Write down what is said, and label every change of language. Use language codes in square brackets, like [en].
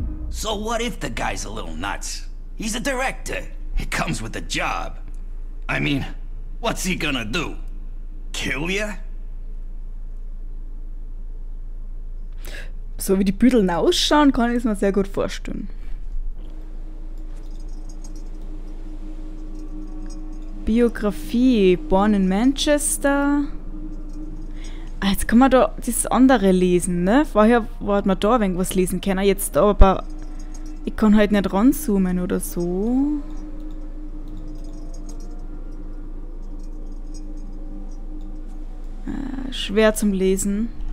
[en] So what if the guy's a little nuts? He's a director. It comes with a job. I mean, what's he gonna do? Kill ya? [de] So wie die Büdel ausschauen, kann ich es mir sehr gut vorstellen. [en] Biografie, born in Manchester. [de] Jetzt kann man da das andere lesen, ne? Vorher hat man da irgendwas lesen können, jetzt aber... Ich kann halt nicht ranzoomen oder so. Schwer zum Lesen.